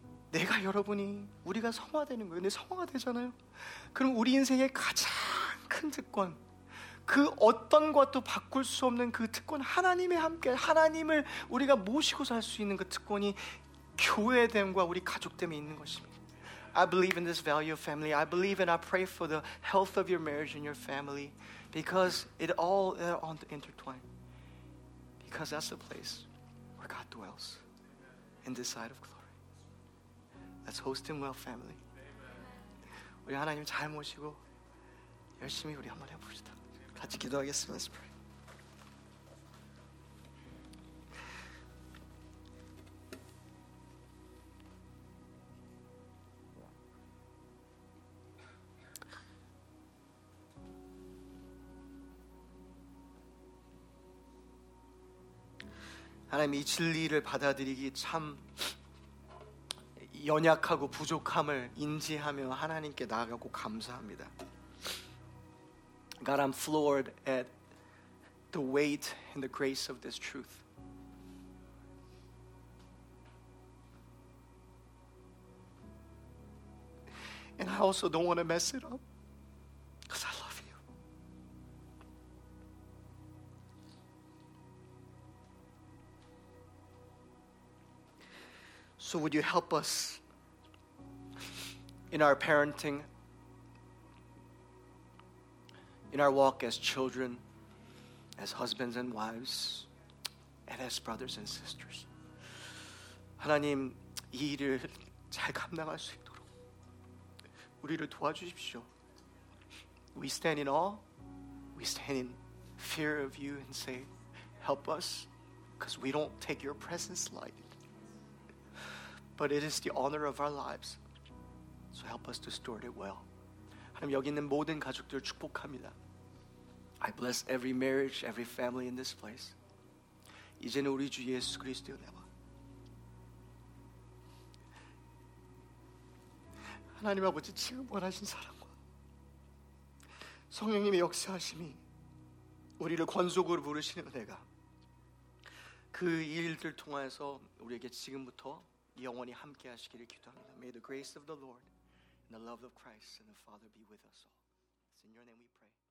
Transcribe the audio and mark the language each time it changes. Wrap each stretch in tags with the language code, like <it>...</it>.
<ko>내가 여러분이 우리가 성화되는 거예요. 내 성화가 되잖아요. 그럼 우리 인생의 가장 큰 특권, 그 어떤 것도 바꿀 수 없는 그 특권, 하나님의 함께 하나님을 우리가 모시고 살 수 있는 그 특권이 교회됨과 우리 가족됨에 있는 것입니다.</ko> <en>I believe in this value of family. I believe and I pray for the health of your marriage and your family because it all intertwined. Because that's the place where God dwells in this side of glory. Let's host him well, family.</en> <ko>우리 하나님 잘 모시고 열심히 우리 한번 해봅시다. 같이 기도하겠습니다.</ko> <en>Let's pray.</en> <ko>하나님, 이 진리를 받아들이기 참 연약하고 부족함을 인지하며 하나님께 나아가고 감사합니다.</ko> <en>God, I'm floored at the weight and the grace of this truth. And I also don't want to mess it up because I love you. So would you help us in our parenting, in our walk as children, as husbands and wives, and as brothers and sisters.</en> <ko>하나님, 이 일을 잘 감당할 수 있도록 우리를 도와주십시오.</ko> <en>We stand in awe, we stand in fear of you and say, help us, because we don't take your presence lightly. But it is the honor of our lives. So help us to store it well.</en> <ko>하나님, 여기 있는 모든 가족들 축복합니다.</ko> <en>I bless every marriage, every family in this place.</en> <ko>이제는 우리 주 예수 그리스도의 은혜와 하나님 아버지 지금 원하신 사랑과 성령님의 역사하심이 우리를 권속으로 부르시는 은혜가 그 일들 통해서 우리에게 지금부터 영원히 함께 하시기를 기도합니다.</ko> <en>May the grace of the Lord and the love of Christ and the Father be with us all. It's in your name we pray.</en>